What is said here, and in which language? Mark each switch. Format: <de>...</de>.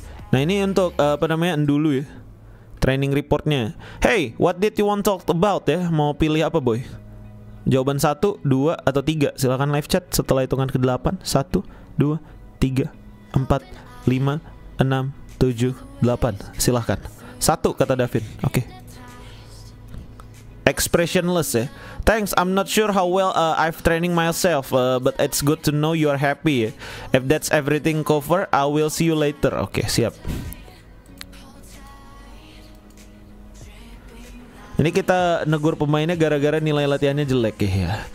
<id>Nah, ini untuk apa namanya, Ndulu ya, training reportnya.</id> <en>Hey, what did you want to talk about</en> <id>ya? Mau pilih apa, boy? Jawaban 1, 2, atau 3. Silakan live chat setelah hitungan ke-8. 1, 2, 3, 4, 5, 6, 7, 8. Silakan. 1 kata Davin. Oke, okay.</id> <en>Expressionless</en> <id>ya.</id> <en>Thanks, I'm not sure how well I've training myself, but it's good to know you're happy. If that's everything cover, I will see you later.</en> <id>Oke, okay, siap. Ini kita negur pemainnya gara-gara nilai latihannya jelek ya.</id>